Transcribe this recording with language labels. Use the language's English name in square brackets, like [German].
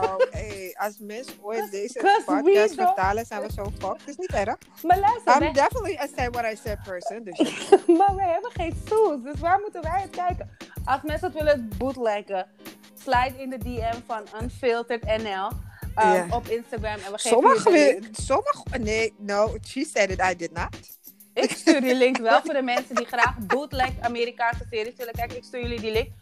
[Dutch] Hey, als mensen ooit deze podcast vertalen, zijn we zo fucked. Is niet erg. Maar luister, [English] I'm definitely a say what I said person. [Dutch] Dus maar we hebben geen tools. Dus waar moeten wij het kijken? Als mensen het willen bootleggen, slide in de DM van unfiltered.nl. Op Instagram. En we geven [English] she said it, I did not. [Dutch] Ik stuur die link wel voor de mensen die graag bootleg Amerikaanse series willen kijken. Ik stuur jullie die link.